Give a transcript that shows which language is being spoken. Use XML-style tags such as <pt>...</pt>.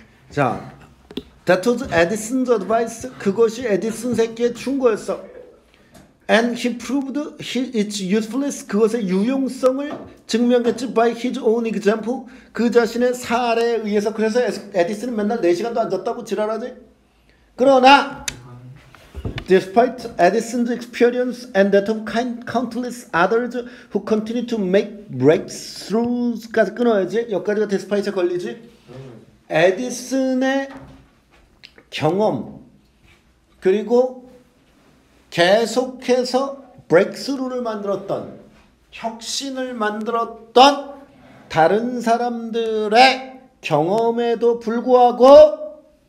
<en>자. That was Edison's advice.</en> <ko>그것이 에디슨 새끼의 충고였어.</ko> <en>And he proved its usefulness.</en> <ko>그것의 유용성을 증명했지</ko> <en>by his own example.</en> <ko>그 자신의 사례에 의해서 그래서 에디슨은 맨날 4시간도 안 잤다고 지랄하지.</ko> <en>그러나 despite Edison's experience and that of countless others who continue to make breakthroughs까지</en> <ko>끊어야지. 여기까지가 despite에 걸리지. 에디슨의 경험 그리고 계속해서 브레이크스루를 만들었던 혁신을 만들었던 다른 사람들의 경험에도 불구하고</ko>